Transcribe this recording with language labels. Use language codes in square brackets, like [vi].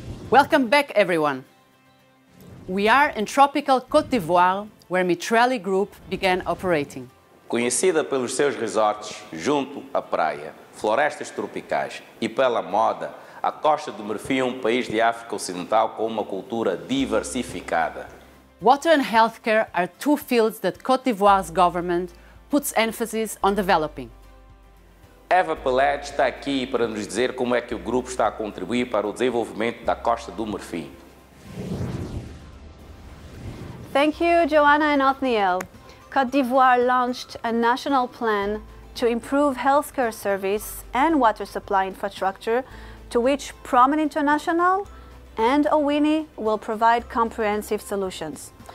[en] Welcome back, everyone. We are in tropical Côte d'Ivoire, where Mitrelli Group began operating. [pt] Conhecida pelos seus resorts junto à praia, florestas tropicais e pela moda, a Costa do Marfim é um país de África Ocidental com uma cultura diversificada. [en] Water and healthcare are two fields that Côte d'Ivoire's government puts emphasis on developing. [pt] Eva Pellet está aqui para nos dizer como é que o grupo está a contribuir para o desenvolvimento da Costa do Marfim. [en] Thank you, Joanna and Othniel. Côte d'Ivoire launched a national plan to improve healthcare service and water supply infrastructure, to which Promen International and Owini will provide comprehensive solutions.